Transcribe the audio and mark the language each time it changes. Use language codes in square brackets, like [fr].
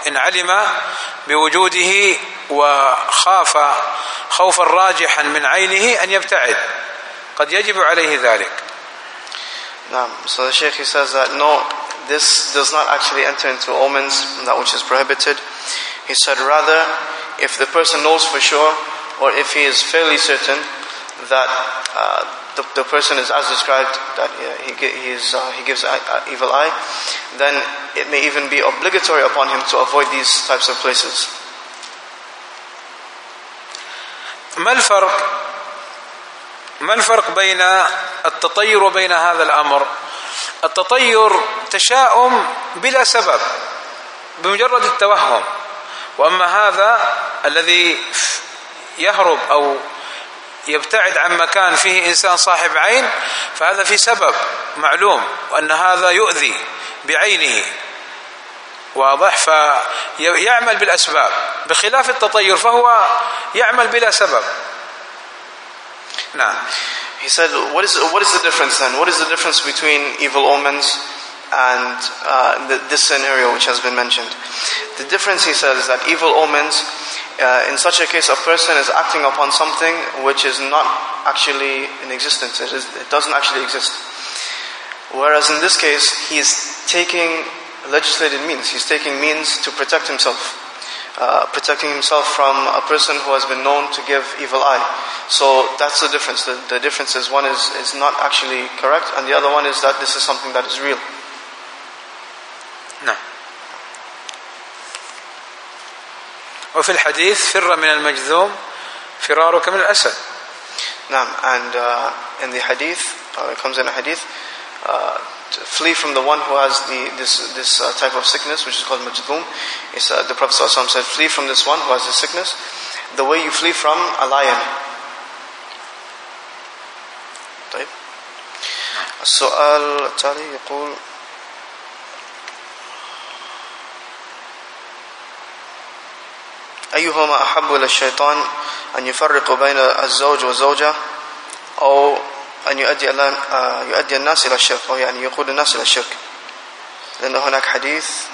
[ar] إن علم بوجوده وخاف خوفا راجحا من عينه أن يبتعد, قد يجب عليه ذلك. نعم. [en] So the Sheikh says that no, this does not actually enter into omens, that which is prohibited. He said rather, if the person knows for sure, or if he is fairly certain that the person is as described, that he gives an evil eye, then it may even be obligatory upon him to avoid these types of places. [ar] ما الفرق بين التطير وبين هذا الأمر؟ التطير تشاؤم بلا سبب بمجرد التوهم, وأما هذا الذي يهرب أو يبتعد عن مكان فيه إنسان صاحب عين فهذا في سبب معلوم, وأن هذا يؤذي بعينه, واضح؟ فيعمل بالأسباب, بخلاف التطير فهو يعمل بلا سبب. نعم. [en] He said, what is the difference then? What is the difference between evil omens and this scenario which has been mentioned? The difference, he says, is that evil omens, in such a case, a person is acting upon something which is not actually in existence. It doesn't actually exist. Whereas in this case, he is taking legislated means. He's taking means to protect himself. Protecting himself from a person who has been known to give evil eye. So that's the difference. The difference is one is not actually correct, and the other one is that this is something that is real. [ar] نعم. وفي الحديث فر من المجذوم فرارك من الأسد. نعم. [en] And in the hadith, it comes in a hadith, flee from the one who has this type of sickness, which is called majdhum. The Prophet ﷺ said, flee from this one who has this sickness the way you flee from a lion. [ar] طيب. السؤال التالي يقول أيهما أحب إلى الشيطان, أن يفرق بين الزوج والزوجة أو أن يؤدي الناس إلى الشرك, أو يعني يقود الناس إلى الشرك؟ لأن هناك حديث,